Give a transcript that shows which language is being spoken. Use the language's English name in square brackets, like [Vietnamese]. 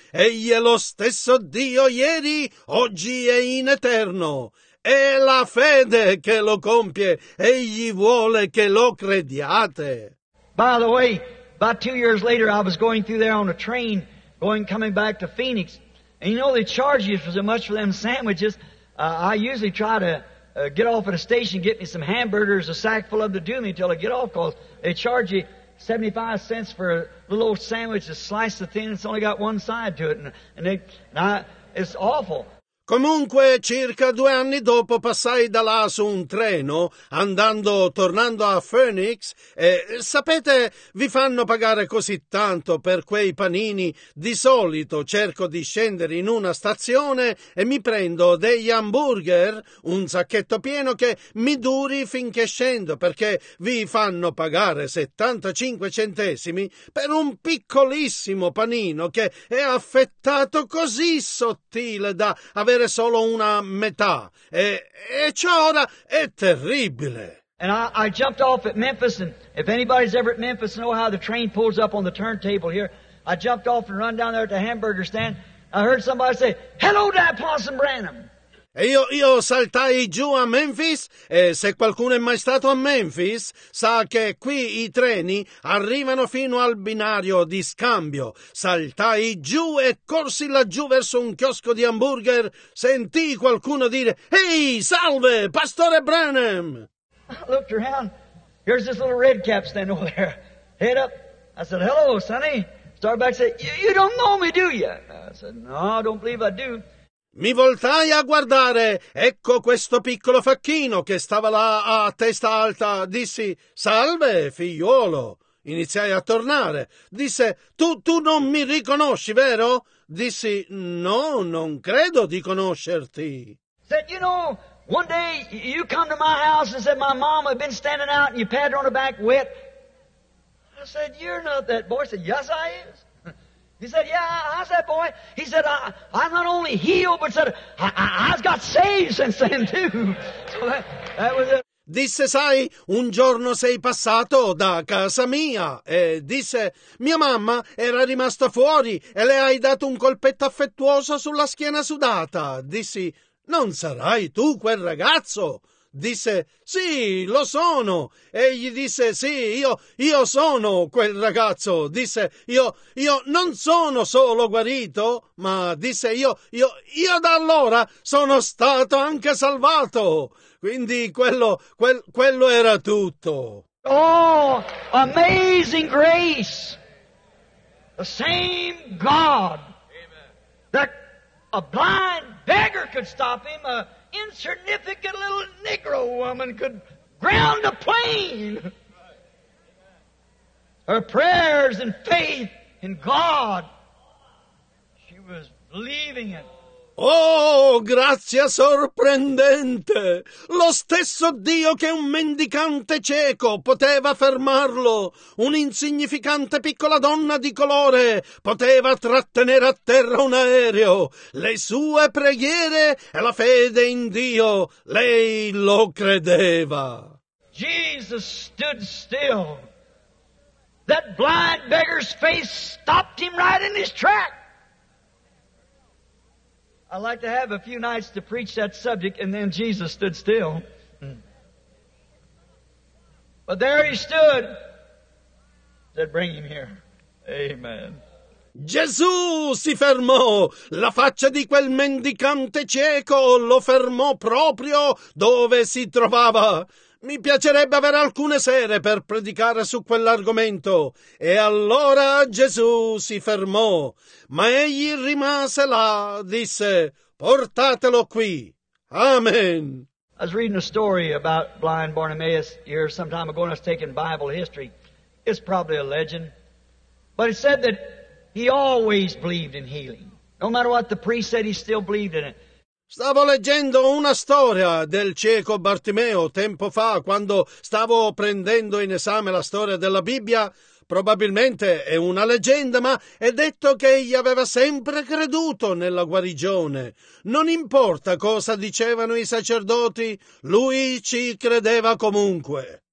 [Italian] Egli è lo stesso Dio ieri, oggi e in eterno. È la fede che lo compie. Egli vuole che lo crediate. [English] By the way, about 2 years later, I was going through there on a train, coming back to Phoenix. And you know, they charge you for so much for them sandwiches. I usually try to get off at a station, get me some hamburgers, a sack full of them to do me until I get off, because they charge you 75 cents for a little old sandwich, a slice of thin, it's only got one side to it, it's awful. [Italian] Comunque, circa due anni dopo passai da là su un treno, tornando a Phoenix, e, sapete, vi fanno pagare così tanto per quei panini. Di solito cerco di scendere in una stazione e mi prendo degli hamburger, un sacchetto pieno che mi duri finché scendo, perché vi fanno pagare 75 centesimi per un piccolissimo panino che è affettato così sottile da avere solo una metà, e ciò ora è terribile. [English] And I jumped off at Memphis, and if anybody's ever at Memphis know how the train pulls up on the turntable here, I jumped off and run down there at the hamburger stand. I heard somebody say, "Hello there, Possum Branham." [Italian] E io saltai giù a Memphis, e se qualcuno è mai stato a Memphis sa che qui i treni arrivano fino al binario di scambio. Saltai giù e corsi laggiù verso un chiosco di hamburger. Sentii qualcuno dire: "Ehi, salve, Pastore Branham!" [English] I looked around. Here's this little red cap standing over there. Head up. I said, "Hello, sonny." Starbuck said, "You don't know me, do you?" I said, "No, I don't believe I do." [Italian] Mi voltai a guardare, ecco questo piccolo facchino che stava là a testa alta, dissi: "Salve, figliuolo." Iniziai a tornare, disse: tu non mi riconosci, vero?" Dissi: "No, non credo di conoscerti." [English] Said, "You know, one day you come to my house and said my mom had been standing out and you pat her on the back wet." I said, "You're not that boy." I said, "Yes, I is." He said, "Yeah, I was that boy." He said, I'm not only healed, but said, I've got saved since then too." So that was it. [Italian] Disse: "Sai, un giorno sei passato da casa mia e disse, mia mamma era rimasta fuori e le hai dato un colpetto affettuoso sulla schiena sudata." Dissi: "Non sarai tu quel ragazzo?" Disse: "Sì, lo sono." E gli disse: "Sì, io sono quel ragazzo." Disse: io non sono solo guarito, ma disse: io da allora sono stato anche salvato." Quindi quello era tutto. [English] Oh, amazing grace. The same God. Amen. That a blind beggar could stop him, insignificant little Negro woman could ground a plane. Her prayers and faith in God, she was believing it. [Italian] Oh, grazia sorprendente! Lo stesso Dio che un mendicante cieco poteva fermarlo, un'insignificante piccola donna di colore poteva trattenere a terra un aereo. Le sue preghiere e la fede in Dio, lei lo credeva. [English] Jesus stood still. That blind beggar's face stopped him right in his tracks. I'd like to have a few nights to preach that subject, and then Jesus stood still. But there he stood. Said, "Bring him here." Amen. [Italian] Gesù si fermò. La faccia di quel mendicante cieco lo fermò proprio dove si trovava. Mi piacerebbe avere alcune sere per predicare su quell'argomento. E allora Gesù si fermò, ma egli rimase là, disse: "Portatelo qui." Amen. [English] I was reading a story about blind Bartimaeus here some time ago, and I was taking Bible history. It's probably a legend, but it said that he always believed in healing. No matter what the priest said, he still believed in it. [Italian] Stavo leggendo una storia del cieco Bartimeo tempo fa, quando stavo prendendo in esame la storia della Bibbia. Probabilmente è una leggenda, ma è detto che egli aveva sempre creduto nella guarigione. Non importa cosa dicevano i sacerdoti, lui ci credeva comunque.